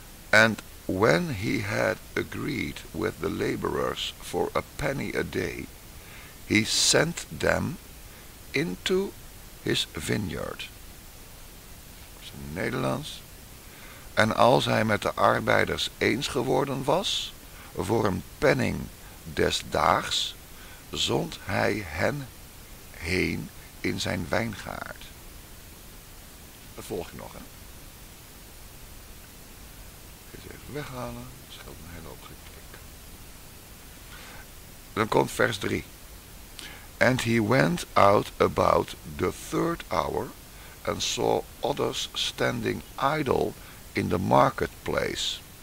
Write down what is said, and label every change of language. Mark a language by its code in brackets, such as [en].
[en] And when he had agreed with the laborers for a penny a day, he sent them into his vineyard. [nl] Dat is in het Nederlands. En als hij met de arbeiders eens geworden was, voor een penning des daags, zond hij hen heen in zijn wijngaard. Dat volg je nog, hè? Weghalen, dat scheelt een hele hoop geklik. Dan komt vers 3. [en] And he went out about the third hour and saw others standing idle in the marketplace.